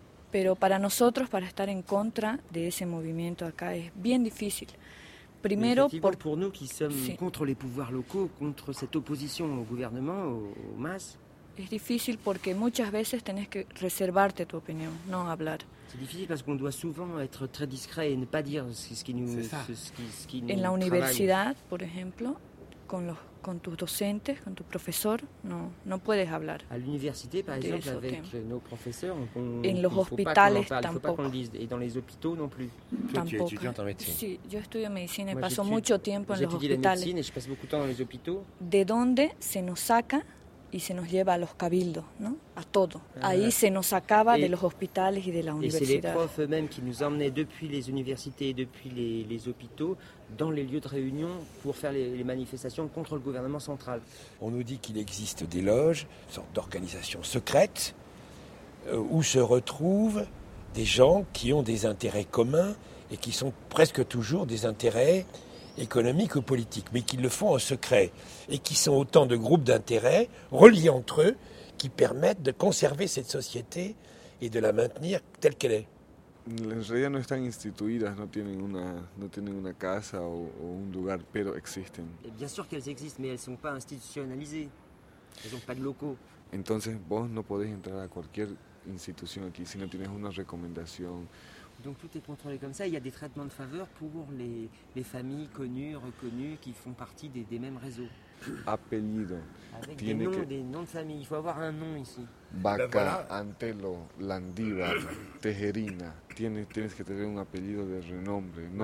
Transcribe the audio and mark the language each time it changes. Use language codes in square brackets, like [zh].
[es] Pero para nosotros, para estar en contra de ese movimiento acá, es bien difícil. Primero, [fr] por nous qui sommes contre les pouvoirs locaux, contre cette opposition au gouvernement, au MAS. [es] Es difícil porque muchas veces tenés que reservarte tu opinión, no hablar. [fr] C'est difficile parce qu'on doit souvent être très discret et ne pas dire ce qui nous [es] en la universidad, por ejemplo, con tus docentes, con tu profesor, no puedes hablar. [fr] À l'université par exemple avec nos professeurs, [es] en los hospitales tampoco. [fr] Et dans les hôpitaux non plus. [es] Tampoco. [fr] Tu es étudiante en médecine. [es] Sí, yo estudio medicina y paso mucho tiempo en los hospitales. [fr] Et je passe beaucoup de temps dans les hôpitaux. [es] De dónde se nos saca y se nos lleva a los cabildos, ¿no? A todo. Ahí se nos sacaba de los hospitales y de la universidad. [fr] Y c'est les profs eux-mêmes qui nous emmenaient depuis les universités et depuis les hôpitaux dans les lieux de réunion pour faire les manifestations contre le gouvernement central. On nous dit qu'il existe des loges, une sorte d'organisation secrète, où se retrouvent des gens qui ont des intérêts communs et qui sont presque toujours des intérêts économiques ou politiques, mais qui le font en secret et qui sont autant de groupes d'intérêts reliés entre eux qui permettent de conserver cette société et de la maintenir telle qu'elle est. [es] En realidad no están instituidas, no tienen una casa o un lugar, pero existen. [fr] Et bien sûr qu'elles existent, mais elles sont pas institutionnalisées. Elles ont pas de locaux. [es] Entonces vos no podés entrar a cualquier institución aquí si no tienes una recomendación. [fr] Donc tout est contrôlé comme ça, il y a des traitements de faveur pour les familles connues, reconnues, qui font partie des mêmes réseaux. [es] Apellido. [fr] Avec des noms de famille, il faut avoir un nom ici. [es] Baca, Antelo, Landívar, Tejerina, tienes que tener un apellido de renombre, no